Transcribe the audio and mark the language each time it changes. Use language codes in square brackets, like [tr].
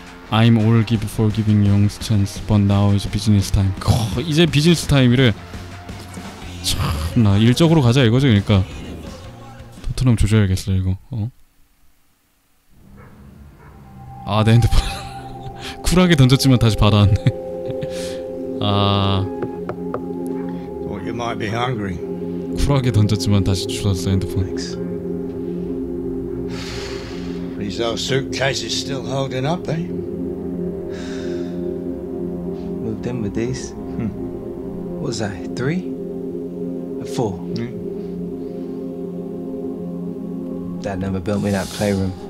[en] I'm all give for giving you chance, but now is business time. [ko] 거, 이제 비즈니스 타임이래. 참나 일적으로 가자 이거죠, 그러니까. 토트넘 조져야겠어 이거. 어? 아, 내 핸드폰. 쿨하게 던졌지만 다시 받아왔네. 아. [en] Thought you might be hungry. [ko] 쿨하게 던졌지만 다시 주웠어 핸드폰. [en] These old suitcases still holding up, eh? Moved in with these. What was I, three? Or four? Dad never built me that playroom.